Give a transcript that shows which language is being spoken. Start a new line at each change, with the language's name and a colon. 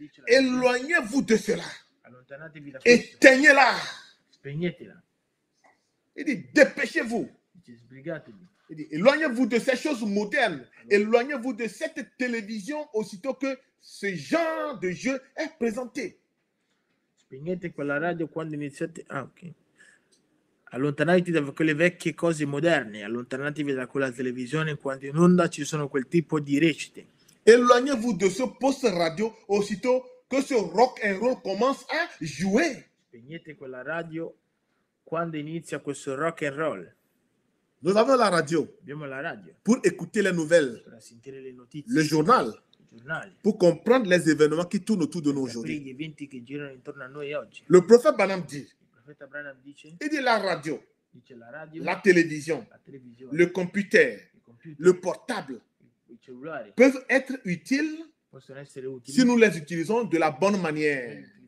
French: Éloignez-vous de cela.
Italian: Allontanatevi da questo.
French: Éteignez-la.
Italian: Spegnetela.
French: Il dit, dépêchez-vous.
Italian: Sbrigatevi.
French: Il dit, éloignez-vous de ces choses modernes. Éloignez-vous de cette télévision aussitôt que ce genre de jeu est présenté.
Italian: Spegnete quella radio quando iniziate. Ah, ok. Allontanatevi da quelle vecchie cose moderne. Allontanatevi da quella televisione quando in onda ci sono quel tipo di recite.
French: Éloignez-vous de ce poste radio aussitôt que ce rock and roll commence à jouer.
Italian: Spegnete quella radio quando inizia questo rock and roll.
French: Nous avons la radio.
Italian: Abbiamo la radio.
French: Pour écouter les nouvelles.
Italian: Per sentire le notizie.
French: Le journal. Pour comprendre les événements qui tournent autour de nous aujourd'hui. Le prophète Branham dit, il dit la radio, la télévision, le computer, le portable peuvent être utiles si nous les utilisons de la bonne manière.